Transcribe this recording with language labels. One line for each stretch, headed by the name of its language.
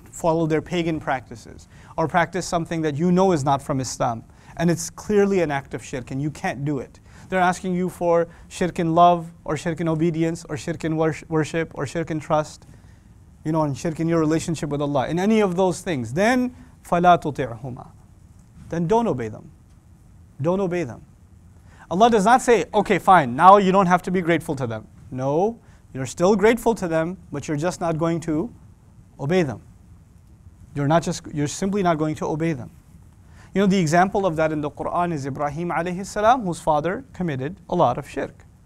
English: follow their pagan practices or practice something that you know is not from Islam and it's clearly an act of shirk and you can't do it. They're asking you for shirk in love or shirk in obedience or shirk in worship or shirk in trust, you know, and shirk in your relationship with Allah, in any of those things. Then,
Arabic: فَلَا تُطِعْهُمَا.
English: Then don't obey them. Don't obey them. Allah does not say, okay, fine, now you don't have to be grateful to them. No, you're still grateful to them, but you're just not going to obey them. You're simply not going to obey them. You know, the example of that in the Quran is Ibrahim alayhi salam, whose father committed a lot of shirk.